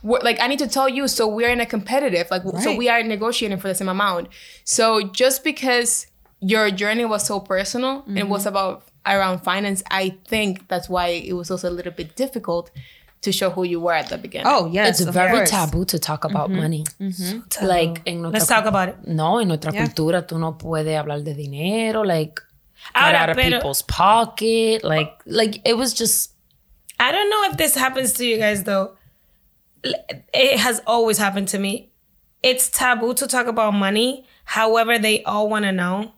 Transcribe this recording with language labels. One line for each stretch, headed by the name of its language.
English: I need to tell you so we're in a competitive, like, right. So we are negotiating for the same amount. So just because your journey was so personal and was around finance, I think that's why it was also a little bit difficult to show who you were at the beginning. Oh, yes. It's very taboo to talk about money. Mm-hmm. Like, talk about it.
Spanish: No, en nuestra cultura, tú no puedes hablar de dinero, like, ahora,
English: get out of people's pocket. Like, it was just... I don't know if this happens to you guys, though. It has always happened to me. It's taboo to talk about money. However, they all want to know.